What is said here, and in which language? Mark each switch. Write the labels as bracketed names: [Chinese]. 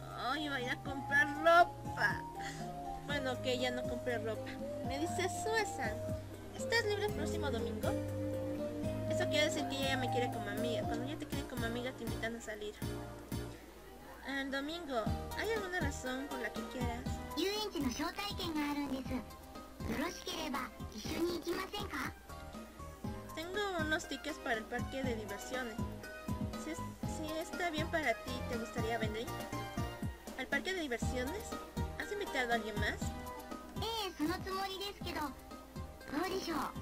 [Spanish] Hoy voy a ir a comprar ropa. Bueno, ok, ya no compré ropa. Me dice Sue-san, ¿estás libre el próximo domingo? Eso quiere decir que ella me quiere como amiga. Cuando ella te quiere como amiga, te invitan a salir. El domingo, ¿hay alguna razón por la que quieras? [Japanese] ちの招待券があるんです。よろしければ一緒に行きませんか？ [Spanish] Tengo unos tickets para el parque de diversiones. Si está bien para ti, ¿te gustaría venir? ¿Al parque de diversiones? ¿Has invitado a alguien más? [Japanese] そのつもりですけど、どうでしょう？